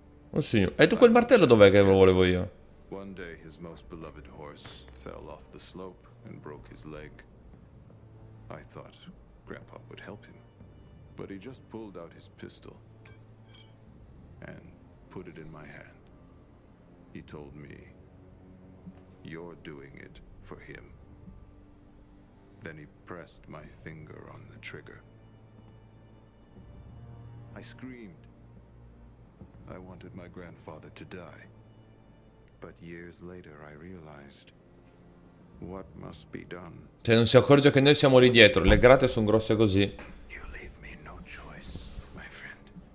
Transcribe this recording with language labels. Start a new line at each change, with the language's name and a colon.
Italian: Oh signore, e tu quel martello dov'è che lo volevo io?
English: One day his most beloved horse fell off the slope and broke his leg. I thought grandpa would help him, but he just pulled out his pistol and put it in my hand. He told me, "You're doing it for him." Then he pressed my finger on the trigger. I screamed. I wanted my grandfather to die. But years later I realized what must be done.
Italian: Cioè non si accorge che noi siamo lì dietro, le grate sono grosse così.
English: You leave me no choice, my friend.